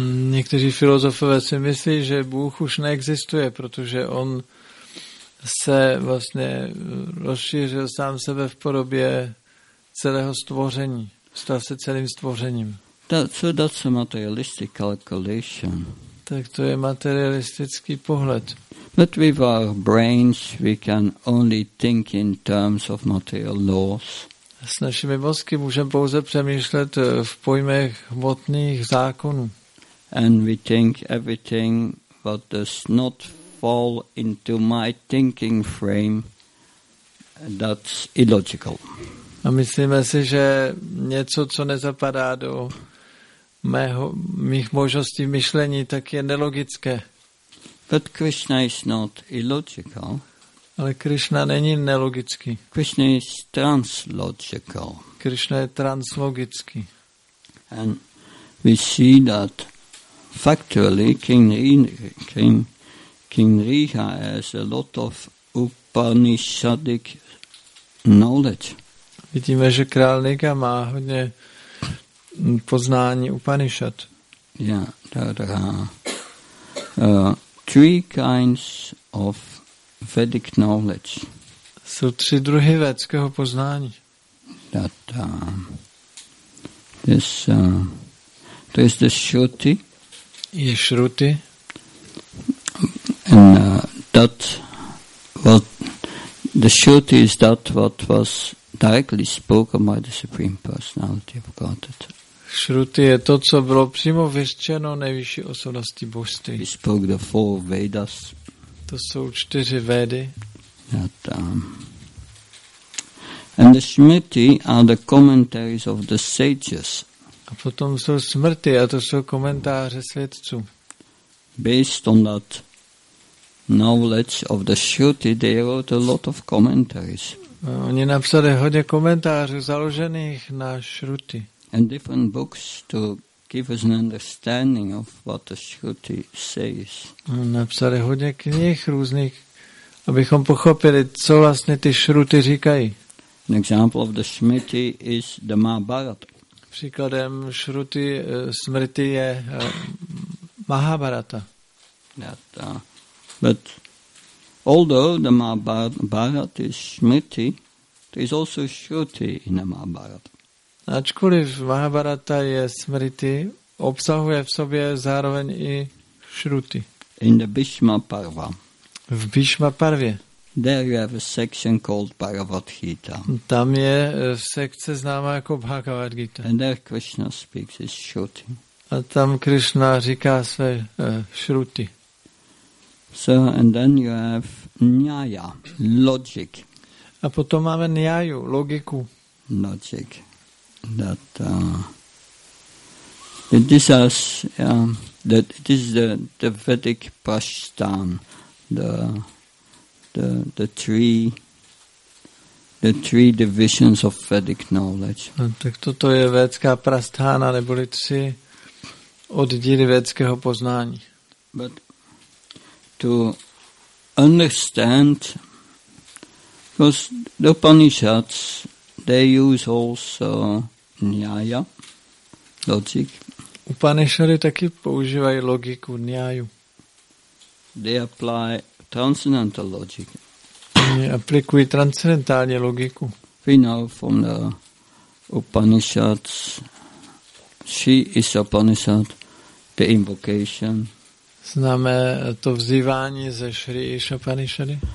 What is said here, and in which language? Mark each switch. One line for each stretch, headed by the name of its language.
Czech: Někteří filozofové si myslí, že Bůh už neexistuje, protože on se vlastně rozšířil sám sebe v podobě celého stvoření. Stal se celým stvořením.
English: That's a materialistic calculation.
Czech: Tak to je materialistický pohled.
English: But with our brains we can only think in terms of material laws.
Czech: S našimi mozky můžeme pouze přemýšlet v pojmech hmotných zákonů.
English: And we think everything what does not fall into my thinking frame, that's illogical.
Czech: A myslíme si, že něco, co nezapadá do mých možností myšlení, tak je nelogické.
English: But Krishna is not illogical.
Czech: Ale Krishna není nelogický.
English: Krishna is translogical.
Czech: Krishna je translogický.
English: And we see that factually King Nriha has a lot of Upanishadic knowledge.
Czech: Vidíme, že král Nriha má hodně poznání Upanishad.
English: Yeah, there are three kinds of Vedic knowledge.
Czech: Jsou tři druhy vedického poznání.
English: There's the Shruti.
Czech: Je Shruti.
English: And the Shruti is that what was directly spoken by the Supreme Personality of Godhead.
Czech: Shruti je to, co bylo přímo vyřčeno nejvyšší osobnosti Božství.
English: He spoke the four Vedas.
Czech: To jsou čtyři Vedy.
English: That, And the smriti are the commentaries of the sages.
Czech: A potom jsou smrti, a to jsou komentáře svědců.
English: Based on that knowledge of the Shruti, they wrote a lot of commentaries.
Czech: Oni napsali hodně komentářů založených na Shruti.
English: And different books to give us an understanding of what the Shruti says.
Czech: Napsali hodně knih různých, abychom pochopili, co vlastně ty Shruti říkají.
English: An example of the smriti is the Mahabharata.
Czech: Příkladem Shruti smriti je Mahabharata.
English: That, but although the Mahabharata is smriti, there is also Shruti in the Mahabharata.
Czech: Ačkoliv Mahabharata je smriti, obsahuje v sobě zároveň i Shruti.
English: In the Bhishma Parva.
Czech: V Bhishma Parvě.
English: There you have a section called Bhagavad Gita.
Czech: Tam je sekce známá jako Bhagavad Gita.
English: And there Krishna speaks his Shruti.
Czech: A tam Krishna říká své Shruti.
English: So and then you have Nyaya, logic.
Czech: A potom máme Nyayu, logiku.
English: Logic. That this is that it is the Vedic Prashtan, the three divisions of Vedic knowledge.
Czech: No, tak toto je védská prasthána, neboli tři oddíly védského poznání.
English: But to understand, because the Upanishads, they use also nyaya, logic.
Czech: Upanishady taky používají logiku, nyayu.
English: They apply transcendental logic.
Czech: Aplikují transcendentální logiku.
English: We know from the Upanishads, she is Upanishad, the invocation.
Czech: Známe to vzývání ze Shri Ishapanishady.